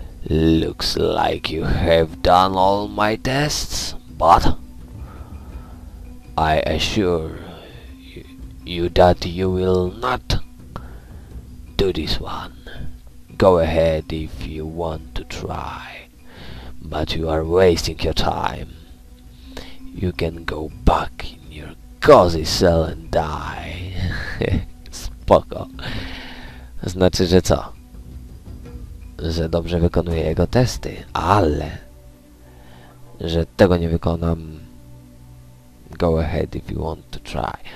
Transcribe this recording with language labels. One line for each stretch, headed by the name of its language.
English: Looks like you have done all my tests, but I assure you that you will not do this one. Go ahead if you want to try, but you are wasting your time. You can go back in your cozy cell and die.
Polish: Spoko. Znaczy, że co? Że dobrze wykonuję jego testy, ale że tego nie wykonam.
English: Go ahead if you want to try.